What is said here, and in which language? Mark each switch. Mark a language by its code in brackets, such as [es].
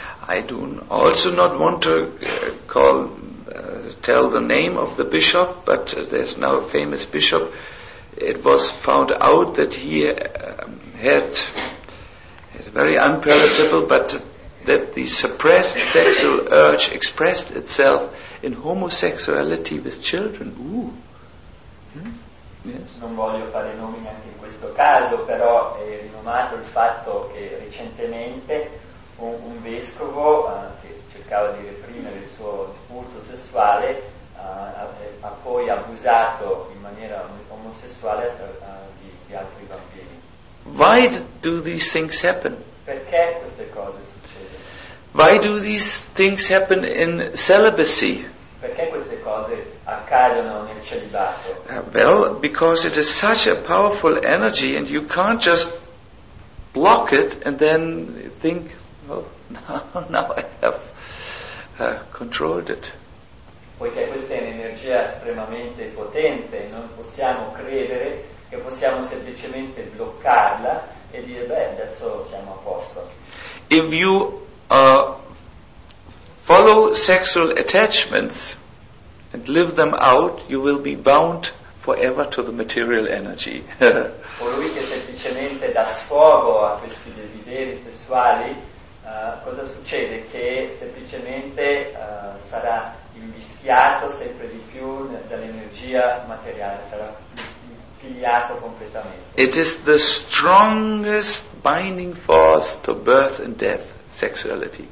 [en] I do also not want to call tell the name of the bishop, but there's now a famous bishop. It was found out that he had very unpalatable, but that the suppressed sexual urge expressed itself in homosexuality with children. Yes. [it] Non voglio fare nomi anche in questo caso, però è rinomato il fatto che recentemente un vescovo che cercava di reprimere il suo impulso sessuale ha poi abusato in maniera omosessuale di altri bambini. [en] Why do these things happen? [it] Perché queste cose succedono? [en] Why do these things happen in celibacy? [it] Perché queste cose accadono nel celibato? [en] Well, because it is such a powerful energy and you can't just block it and then think, now I have controlled it. [it] Poiché questa è un'energia estremamente potente, non possiamo credere che possiamo semplicemente bloccarla e dire, adesso siamo a posto. [en] If you follow sexual attachments and live them out, you will be bound forever to the material energy. [it] Colui che semplicemente dà sfogo a questi desideri sessuali, cosa succede? Che semplicemente sarà invischiato sempre di più dall'energia materiale, sarà pigliato completamente. [en] It is the strongest binding force to birth and death, sexuality.